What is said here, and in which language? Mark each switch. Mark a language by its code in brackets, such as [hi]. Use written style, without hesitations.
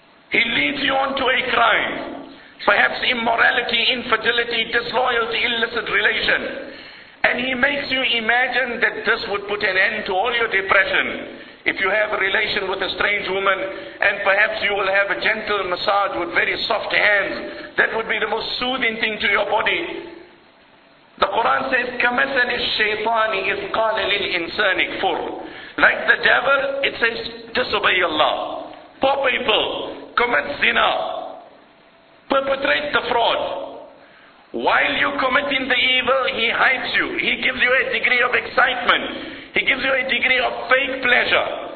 [en] He leads you on to a crime. Perhaps immorality, infidelity, disloyalty, illicit relation. And he makes you imagine that this would put an end to all your depression. If you have a relation with a strange woman, and perhaps you will have a gentle massage with very soft hands, that would be the most soothing thing to your body. The Quran says, [ar] كَمَثَلِ الشَّيْطَانِ إِذْ قَالَ لِلْإِنسَانِ كْفُرْ. [en] Like the devil, it says, disobey Allah. Poor people, commit zina. Perpetrate the fraud. While you're committing the evil, he hypes you. He gives you a degree of excitement. He gives you a degree of fake pleasure.